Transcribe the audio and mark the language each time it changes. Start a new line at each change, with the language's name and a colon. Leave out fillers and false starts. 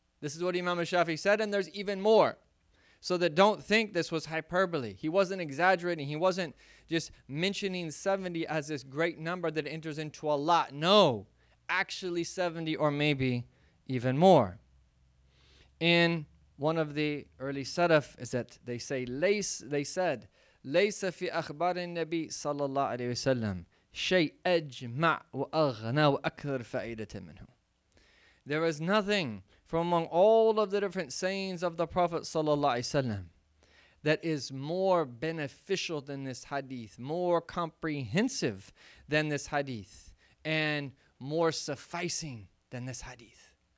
English: This is what Imam al-Shafi said, and there's even more. So that don't think this was hyperbole. He wasn't exaggerating. He wasn't just mentioning 70 as this great number that enters into a lot. No, actually 70 or maybe even more. And One of the early Salaf is that they said,
Arabic: ليس في أخبار النبي صلى الله عليه وسلم شيء أجمع وأغنى وأكثر فائدة منه.
English: There is nothing from among all of the different sayings of the Prophet صلى الله عليه وسلم that is more beneficial than this hadith, more comprehensive than this hadith, and more sufficing than this hadith.